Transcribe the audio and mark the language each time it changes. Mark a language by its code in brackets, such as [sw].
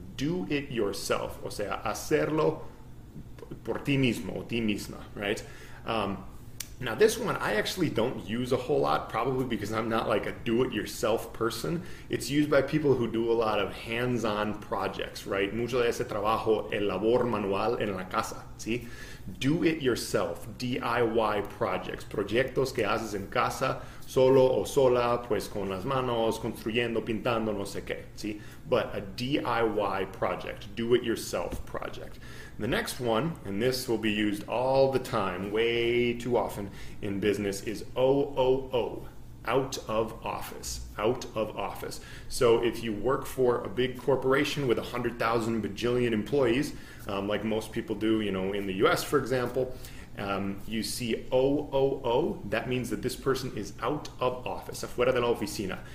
[en] Do it yourself. [es] O sea, hacerlo por ti mismo, ti misma, right? [en] Now this one I actually don't use a whole lot, probably because I'm not like a do-it-yourself person. It's used by people who do a lot of hands-on projects, right? [es] Mucho de ese trabajo, el labor manual en la casa, ¿sí? [en] Do-it-yourself, DIY projects, [es] proyectos que haces en casa, solo o sola, pues con las manos, construyendo, pintando, no sé qué, ¿sí? [en] But a DIY project, do-it-yourself project. The next one, and this will be used all the time, way too often in business, is OOO, out of office, out of office. So if you work for a big corporation with 100,000 bajillion employees, like most people do, you know, in the US, for example, you see OOO, that means that this person is out of office, [es] afuera de la oficina.